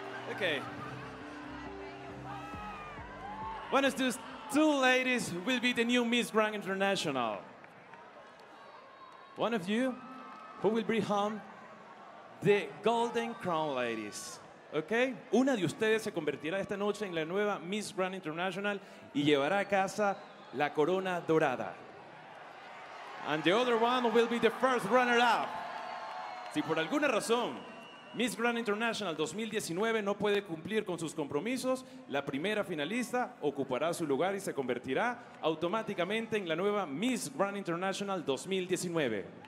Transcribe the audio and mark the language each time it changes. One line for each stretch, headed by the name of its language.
Spanish: Okay. Buenos días,
English: two ladies will be the new Miss Grand International. One of you who will bring home the Golden Crown, ladies. Okay?
Spanish: Una de ustedes se convertirá esta noche en la nueva Miss Grand International y llevará a casa la corona dorada.
English: And the other one will be the first runner-up.
Spanish: Si por alguna razón Miss Grand International 2019 no puede cumplir con sus compromisos, la primera finalista ocupará su lugar y se convertirá automáticamente en la nueva Miss Grand International 2019.